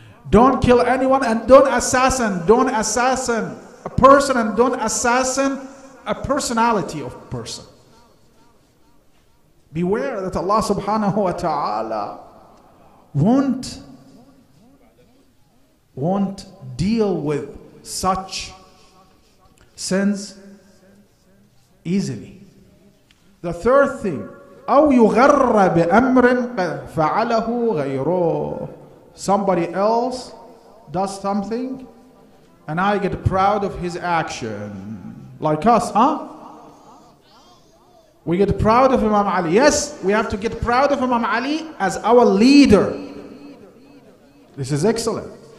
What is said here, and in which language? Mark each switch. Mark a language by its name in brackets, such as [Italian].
[English] Don't kill anyone and don't assassin. Don't assassin a person and don't assassin a personality of a person. Beware that Allah subhanahu wa ta'ala won't deal with such sins easily. The third thing, [Arabic] أَوْ يُغَرَّ بِأَمْرٍ فَعَلَهُ غَيْرُهُ. [English] Somebody else does something and I get proud of his action. Like us, huh? We get proud of Imam Ali. Yes, we have to get proud of Imam Ali as our leader. This is excellent.